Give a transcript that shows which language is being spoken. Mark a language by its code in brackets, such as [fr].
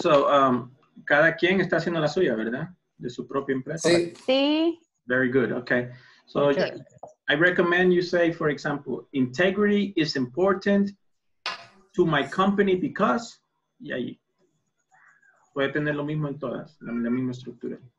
[es] So, cada quien está haciendo la suya, ¿verdad? De su propia empresa. Sí. [en] Very good. Okay. So, sure. I recommend you say, for example, integrity is important to my company because. [es] Y ahí. Puede tener lo mismo en todas, la misma estructura.